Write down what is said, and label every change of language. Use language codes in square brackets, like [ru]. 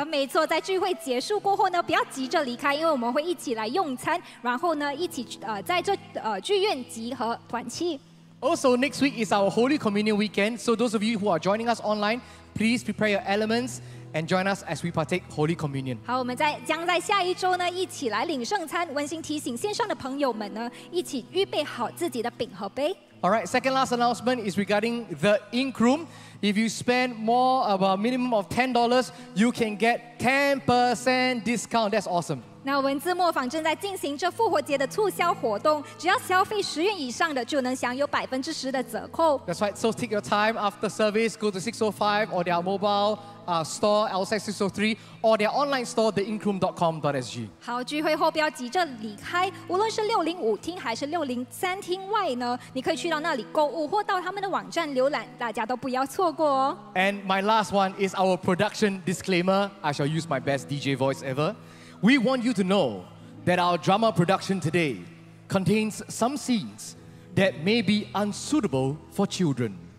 [zh] 没错，在聚会结束过后呢，不要急着离开，因为我们会一起来用餐，然后呢，一起在这剧院集合团契。 [en] Also, next week is our Holy Communion weekend. So those of you who are joining us online, please prepare your elements. And join us as we partake Holy Communion. [zh] 好，我们在将在下一周呢，一起来领圣餐。温馨提醒线上的朋友们呢，一起预备好自己的饼和杯。 [en] All right, second last announcement is regarding the ink room. If you spend more about minimum of $10, you can get 10% discount. That's awesome. [zh] 那文字墨坊正在进行这复活节的促销活动，只要消费10元以上的就能享有10%的折扣。 [en] That's right. So take your time after service, go to 605 or their mobile store outside 603 or their online store theinkroom.com.sg. [zh] 好，聚会后不要急着离开，无论是605厅还是603厅外呢，你可以去到那里购物或到他们的网站浏览，大家都不要错过哦。 [en] And my last one is our production disclaimer. I shall use my best DJ voice ever. We want you to know that our drama production today contains some scenes that may be unsuitable for children.